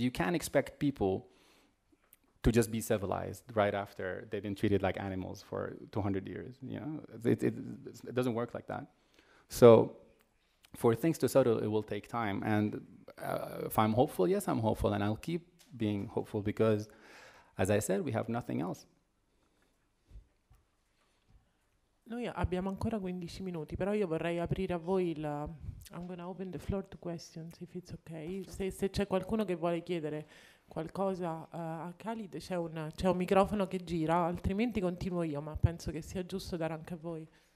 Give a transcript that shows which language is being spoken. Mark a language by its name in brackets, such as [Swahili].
[English] You can't expect people to just be civilized right after they've been treated like animals for 200 years, you know? It doesn't work like that. So for things to settle, it will take time. And if I'm hopeful, yes, I'm hopeful, and I'll keep being hopeful because, as I said, we have nothing else. [Italian] Noi abbiamo ancora 15 minuti, però io vorrei aprire a voi la... [English] I'm gonna open the floor to questions, if it's okay. [Italian] Se c'è qualcuno che vuole chiedere qualcosa a Khalid, c'è un microfono che gira, altrimenti continuo io, ma penso che sia giusto dare anche a voi.